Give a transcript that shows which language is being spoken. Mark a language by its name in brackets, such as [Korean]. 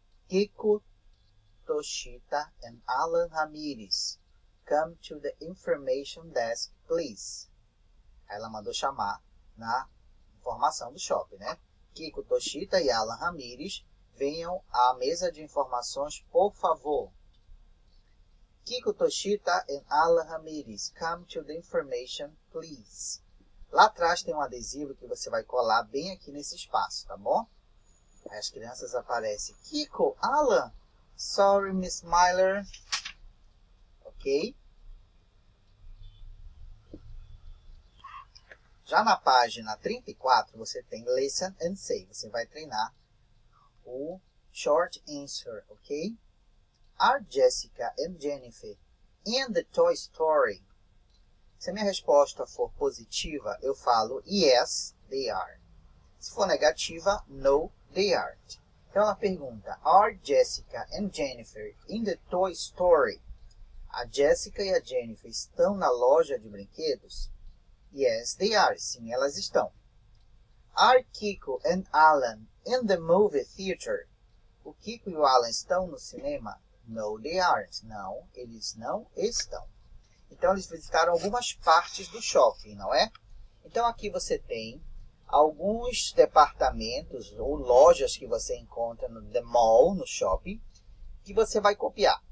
[English] Kiko, Toshita and Alan Ramirez, come to the information desk, please. [Portuguese] Ela mandou chamar na informação do shopping, né? Kiko, Toshita e Alan Ramirez, venham à mesa de informações, por favor. [English] Kiko, Toshita and Alan Ramirez, come to the information, please. [Portuguese] Lá atrás tem um adesivo que você vai colar bem aqui nesse espaço, tá bom? Aí as crianças aparecem. Kiko, Alan, [English] sorry, [Portuguese] Miss Myler. Ok? Já na página 34, você tem [English] listen and say. [Portuguese] Você vai treinar o [English] short answer, [Portuguese] ok? [English] Are Jessica and Jennifer in the toy store? [Portuguese] Se a minha resposta for positiva, eu falo, [English] yes, they are. [Portuguese] Se for negativa, [English] no, they aren't. [Portuguese] Então, ela pergunta, [English] are Jessica and Jennifer in the toy store? [Portuguese] A Jessica e a Jennifer estão na loja de brinquedos? [English] Yes, they are. [Portuguese] Sim, elas estão. [English] Are Kiko and Alan in the movie theater? [Portuguese] O Kiko e o Alan estão no cinema? [English] No, they aren't. [Portuguese] Não, eles não estão. Então, eles visitaram algumas partes do shopping, não é? Então, aqui você tem alguns departamentos ou lojas que você encontra no [English] the mall, [Portuguese] no shopping, que você vai copiar.